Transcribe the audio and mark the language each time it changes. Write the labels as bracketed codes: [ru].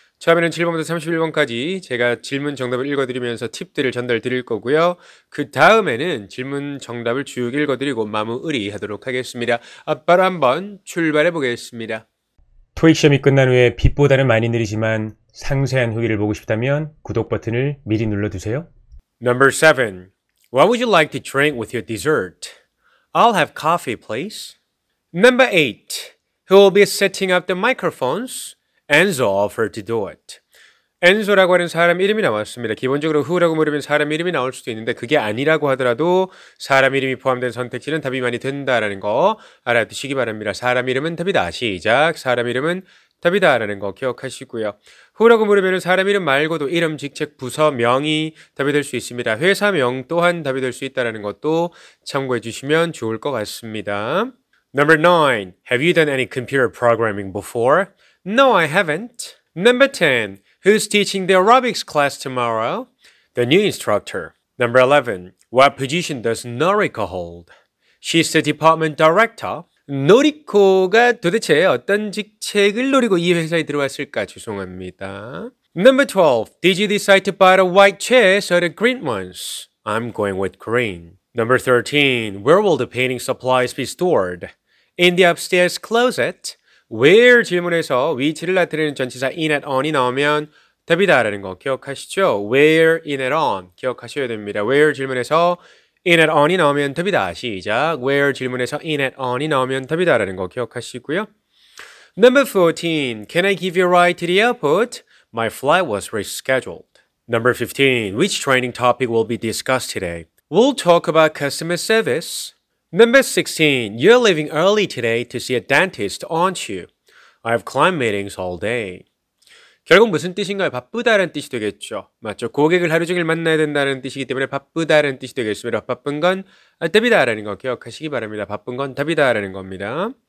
[ko] 처음에는 7번부터 31번까지 제가 질문 정답을 읽어드리면서 팁들을 전달 드릴 거고요. 그 다음에는 질문 정답을 쭉 읽어드리고 마무리 하도록 하겠습니다. 바로 한번 출발해 보겠습니다. 토익 시험이 끝난 후에 빛보다는 많이 느리지만 상세한 후기를 보고 싶다면 구독 버튼을 미리 눌러주세요. [en] Number 7. What would you like to drink with your dessert? I'll have coffee, please. Number 8. Who will be setting up the microphones? Enzo offered to do it. [ko] Enzo라고 하는 사람 이름이 나왔습니다. 기본적으로 who라고 물으면 사람 이름이 나올 수도 있는데 그게 아니라고 하더라도 사람 이름이 포함된 선택지는 답이 많이 된다라는 거 알아두시기 바랍니다. 사람 이름은 답이다. 시작! 사람 이름은 답이다라는 거 기억하시고요. who라고 물으면 사람 이름 말고도 이름, 직책, 부서, 명이 답이 될 수 있습니다. 회사명 또한 답이 될 수 있다는 것도 참고해 주시면 좋을 것 같습니다. [en] Number 9. Have you done any computer programming before? No, I haven't. Number 10. Who's teaching the aerobics class tomorrow? The new instructor. Number 11. What position does Noriko hold? She's the department director. [ko] 노리코가 도대체 어떤 직책을 노리고 이 회사에 들어왔을까? 죄송합니다. [en] Number 12. Did you decide to buy the white chairs or the green ones? I'm going with green. Number 13. Where will the painting supplies be stored? In the upstairs closet. [ko] Where 질문에서 위치를 나타내는 전치사 in at on이 나오면 답이다 라는 거 기억하시죠? Where in at on 기억하셔야 됩니다. Where 질문에서 in at on이 나오면 답이다. 시작! Where 질문에서 in at on이 나오면 답이다 라는 거 기억하시고요. [en] Number 14. Can I give you a ride to the airport? My flight was rescheduled. Number 15. Which training topic will be discussed today? We'll talk about customer service. Number 16. You're leaving early today to see a dentist, aren't you? I have client meetings all day. [ko] 결국 무슨 뜻인가요? 바쁘다라는 뜻이 되겠죠. 맞죠? 고객을 하루 종일 만나야 된다는 뜻이기 때문에 바쁘다라는 뜻이 되겠습니다. 바쁜 건 답이다라는 거 기억하시기 바랍니다. 바쁜 건 답이다라는 겁니다.